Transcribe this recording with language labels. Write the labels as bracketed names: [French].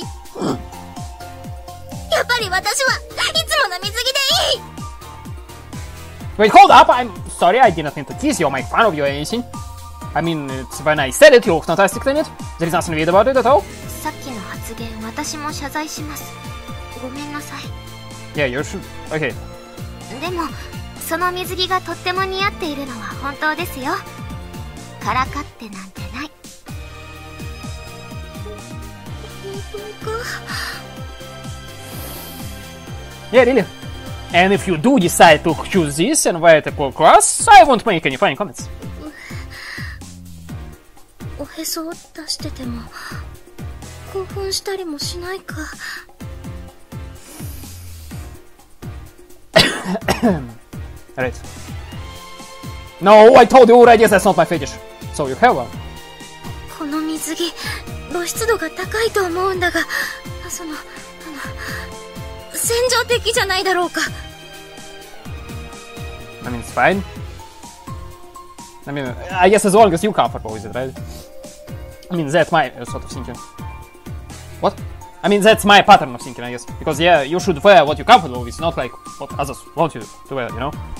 [Japanese] やっぱり私はいつもの水着でいい。 [English] Wait, hold up! I'm sorry, I didn't mean to tease you or make fun of you or anything. I mean, it's when I said it, you looked fantastic in it. There is nothing weird about it at all. [Japanese] さっきの発言、私も謝罪します。ごめんなさい。 [English] Yeah, you should. Okay. [Japanese] でも、その水着がとっても似合っているのは本当ですよ。からかってなんてない。 [English] Yeah, really. And if you do decide to choose this and wear it across, I won't make any funny comments. [Japanese] おへそを出してても興奮したりもしないか。 [English] Right. No, I told you already, that's not my fetish. So you have one. [Japanese] この水着、露出度が高いと思うんだが、その戦場的じゃないだろうか。 [English] I mean, it's fine. I mean, I guess as long as you're comfortable with it, right? I mean, that's my sort of thinking. What? I mean, that's my pattern of thinking, I guess. Because, yeah, you should wear what you're comfortable with, not like what others want you to wear, you know?